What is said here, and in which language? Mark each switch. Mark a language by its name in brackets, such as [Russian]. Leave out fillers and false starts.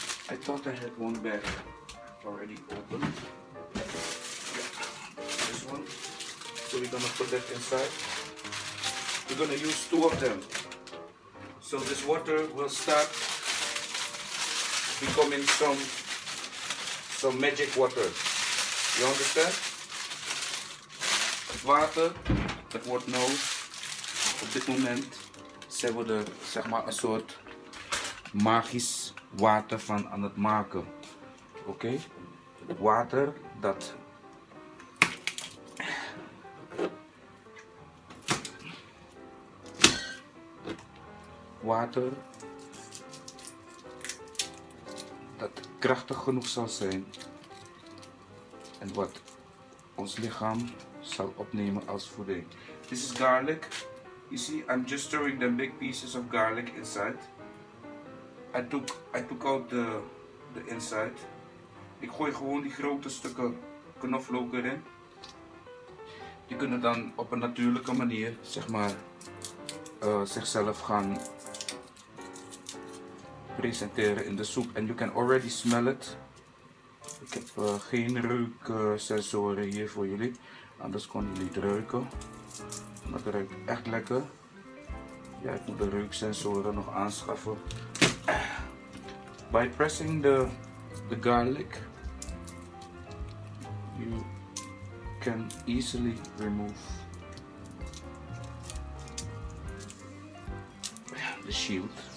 [English] I thought I had one bag already opened. This one. So we're gonna put that inside. We're gonna use 2 of them. So this water will start becoming some magic water. You understand? Water that [Dutch] wordt nou op dit moment zijn we er zeg maar een soort magisch water van aan het maken. Oké? Okay? Water dat water dat krachtig genoeg zal zijn en wat ons lichaam zal opnemen als voeding. [English] This is garlic. You see, I'm just throwing the big pieces of garlic inside. I took out the inside. [Dutch] Ik gooi gewoon die grote stukken knoflook erin. Die kunnen dan op een natuurlijke manier zeg maar zichzelf gaan presenteren in de soep. [English] And you can already smell it. [Dutch] Ik heb geen reuksensoren hier voor jullie. Anders kon jullie het ruiken. Maar het ruikt echt lekker. Ja, ik moet de reuksensoren nog aanschaffen. [English] By pressing the garlic, you can easily remove the shield.